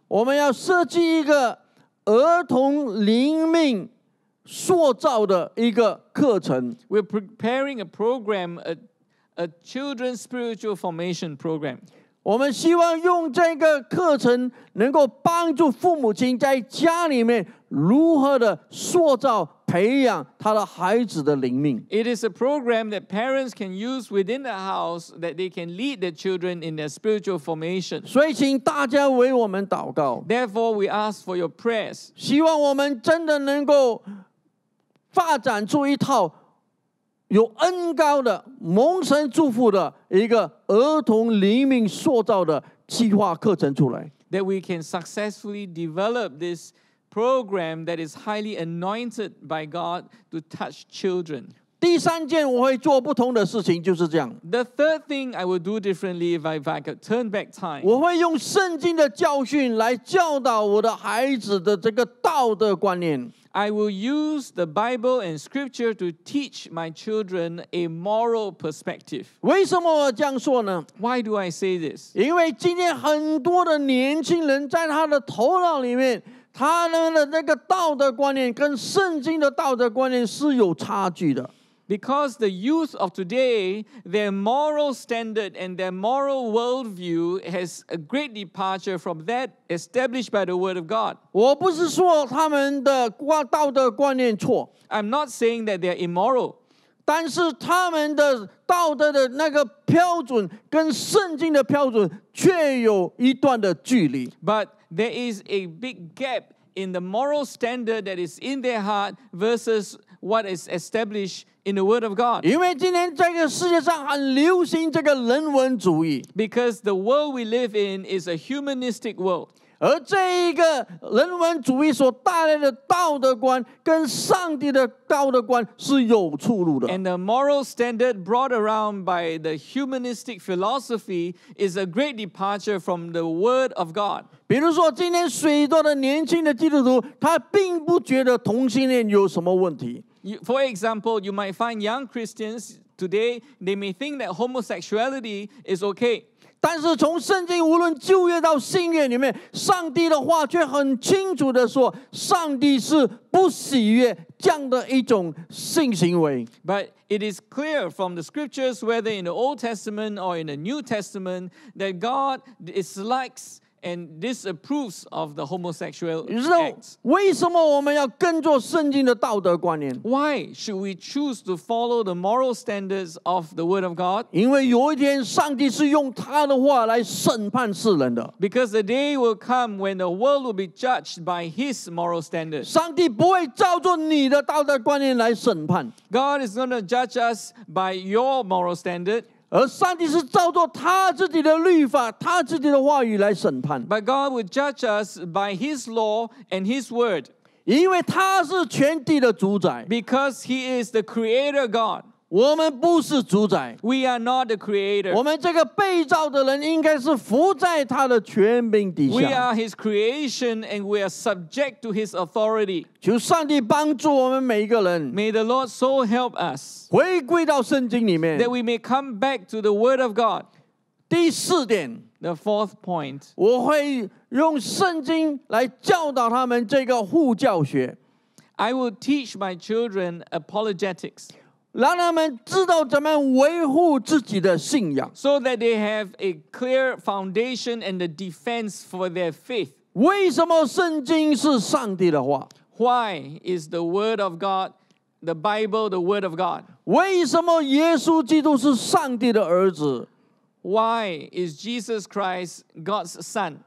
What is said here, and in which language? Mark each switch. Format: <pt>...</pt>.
<zh>我们要设计一个儿童灵命塑造的一个课程。</zh> <en>We're preparing a program, a children's spiritual formation program.</en> <zh>我们希望用这个课程能够帮助父母亲在家里面如何的塑造培养他的孩子的灵命。</zh> <en>It is a program that parents can use within the house that they can lead their children in their spiritual formation.</en> <zh>所以请大家为我们祷告。</zh> <en>Therefore, we ask for your prayers.</en> <zh>希望我们真的能够发展出一套有恩膏的、蒙神祝福的一个儿童灵命塑造的计划课程出来。</zh> <en>That we can successfully develop this program that is highly anointed by God to touch children.</en> <zh>第三件我会做不同的事情就是这样。</zh> <en>The third thing I will do differently if I could turn back time.</en> <zh>我会用圣经的教训来教导我的孩子的这个道德观念。</zh> <en>I will use the Bible and Scripture to teach my children a moral perspective.</en> <zh>为什么我这样说呢？</zh> <en>Why do I say this?</en> <zh>因为今天很多的年轻人在他的头脑里面，他的那个道德观念跟圣经的道德观念是有差距的。</zh> <en>Because the youth of today, their moral standard and their moral worldview has a great departure from that established by the Word of God.</en> <zh>我不是说他们的道德观念错。</zh> <en>I'm not saying that they're immoral.</en> <zh>但是他们的道德的那个标准跟圣经的标准却有一段的距离。</zh> <en>But there is a big gap in the moral standard that is in their heart versus what is established in the Word of God.</en> <zh>因为今天这个世界上很流行这个人文主义。</zh> <en>Because the world we live in is a humanistic world.</en> <zh>而这一个人文主义所带来的道德观跟上帝的道德观是有出入的。</zh> <en>And the moral standard brought around by the humanistic philosophy is a great departure from the Word of God.</en> <zh>比如说今天许多的年轻的基督徒他并不觉得同性恋有什么问题。</zh> <en>For example, you might find young Christians today, they may think that homosexuality is okay.</en> <zh>但是从圣经无论旧约到新约里面上帝的话却很清楚地说上帝是不喜悦这样的一种性行为。</zh> <en>But it is clear from the scriptures, whether in the Old Testament or in the New Testament, that God dislikesAnd this approves of the homosexual acts.</en> <zh>为什么我们要跟着圣经的道德观念？</zh> <en>Why should we choose to follow the moral standards of the Word of God?</en> <zh>因为有一天上帝是用他的话来审判世人的。</zh> <en>Because the day will come when the world will be judged by his moral standards.</en> <zh>上帝不会照着你的道德观念来审判。</zh> <en>God is going to judge us by your moral standard.</en> <zh>而上帝是照着他自己的律法他自己的话语来审判</zh> <en>But God would judge us by his law and his word</en> <zh>因为他是全地的主宰</zh> <en>Because he is the creator God</en> <zh>我们不是主宰</zh> <en>We are not the creator</en> <zh>我们这个被造的人应该是服在他的权柄底下</zh> <en>We are his creation and we are subject to his authority</en> <zh>求上帝帮助我们每一个人</zh> <en>May the Lord so help us</en> <zh>回归到圣经里面</zh> <en>that we may come back to the word of God</en> <zh>第四点</zh> <en>the fourth point</en> <zh>我会用圣经来教导他们这个护教学</zh> <en>I will teach my children apologetics</en> <zh>让他们知道怎么维护自己的信仰</zh> <en>so that they have a clear foundation and a defense for their faith</en> <zh>为什么圣经是上帝的话</zh> <en>why is the word of GodThe Bible, the Word of God.</en> <zh>为什么耶稣基督是上帝的儿子?</zh> <en>Why is Jesus Christ God's Son?</en>